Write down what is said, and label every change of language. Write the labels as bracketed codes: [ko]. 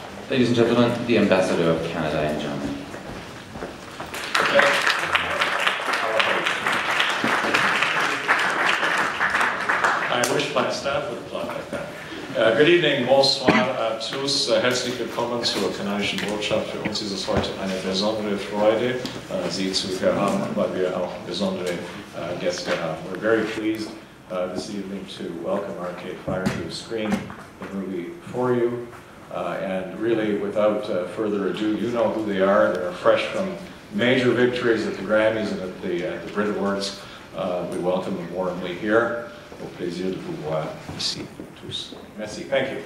[en] Ladies and gentlemen, the Ambassador of Canada in Germany. I wish my staff would apply like that. Good evening, [fr] bonsoir à tous, [de] herzlich willkommen zur kanadischen Botschaft. Für uns ist es heute eine besondere Freude, Sie zu hier haben, weil wir auch besondere Gäste haben. [en] We're very pleased this evening to welcome RK Fire to the screen, the movie for you. And really, without further ado, you know who they are. They're fresh from major victories at the Grammys and at the Brit Awards. We welcome them warmly here. [fr] Au plaisir de vous voir ici tous. Merci. [en] Thank you.